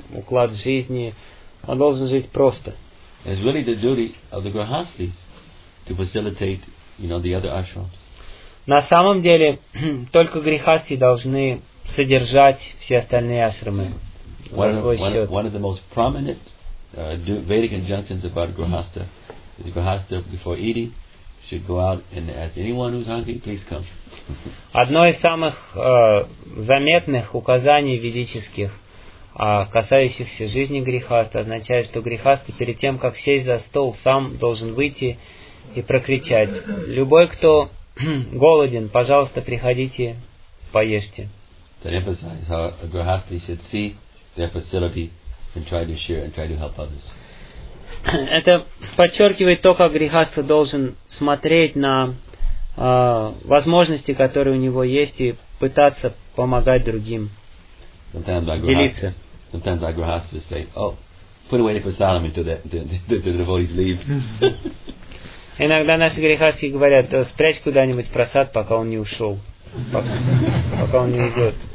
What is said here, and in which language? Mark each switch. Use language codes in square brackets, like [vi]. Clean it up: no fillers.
[ru] уклад жизни, он должен жить просто. [en] It's really the duty of the grahasthis to facilitate, you know, the other ashrams. [ru] На самом деле, только грехасти должны содержать все остальные ашрамы за свой счет. [en] One of the most prominent Vedic injunctions about grahastha is grahastha before eating should go out and ask anyone who's hungry, please come. [ru] Одно из самых заметных указаний ведических, касающихся жизни грехаста, означает, что грехаста перед тем, как сесть за стол, сам должен выйти и прокричать: «Любой, кто голоден, пожалуйста, приходите, поешьте». [en] That emphasizes how a grahasthi should see their facility and try to share and try to help others. [ru] Это подчеркивает то, как грехаста должен смотреть на возможности, которые у него есть, и пытаться помогать другим. [en] Sometimes our grahasthas will say, "Oh, put away the prasadam until the devotees leave." [ru] Иногда наши грехасти говорят: "Спрячь куда-нибудь просад, пока он не ушел, пока он не уйдет."